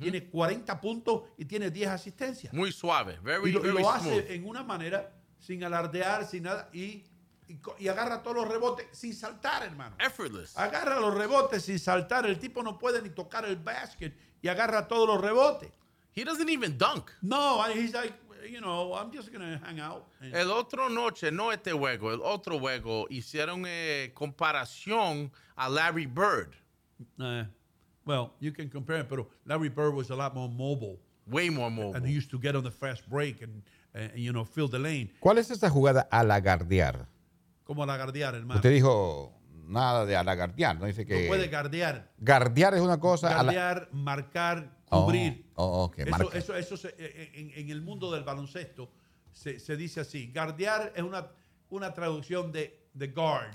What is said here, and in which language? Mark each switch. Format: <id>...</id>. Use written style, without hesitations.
<es>tiene 40 puntos y tiene 10 asistencias. Muy suave,</es> <en>very,</en> <es>y lo,</es> <en>very</en> <es>y lo</es> <en>smooth.</en> <es>Hace en una manera, sin alardear, sin nada, y agarra todos los rebotes sin saltar, hermano.</es> <en>Effortless.</en> <es>Agarra los rebotes sin saltar, el tipo no puede ni tocar el basket y agarra todos los rebotes.</es> <en>He doesn't even dunk. No, he's like, you know, I'm just going to hang out.</en> <es>El otro noche, no este juego, el otro juego, hicieron comparación a Larry Bird.</es> <en>Well, you can compare it,</en> <es>pero</es> <en>Larry Bird was a lot more mobile. Way more mobile. And he used to get on the fast break and you know, fill the lane.</en> <es>¿Cuál es esa jugada a lagardear? ¿Cómo a lagardear, hermano? Usted dijo nada de a lagardear, ¿no? Dice que... No puede guardear. Guardear es una cosa. Guardear, marcar... Cubrir.</es> <en>Oh, okay.</en> <es>Eso se, en el mundo del baloncesto se dice así. Guardear es una traducción de guard.</es>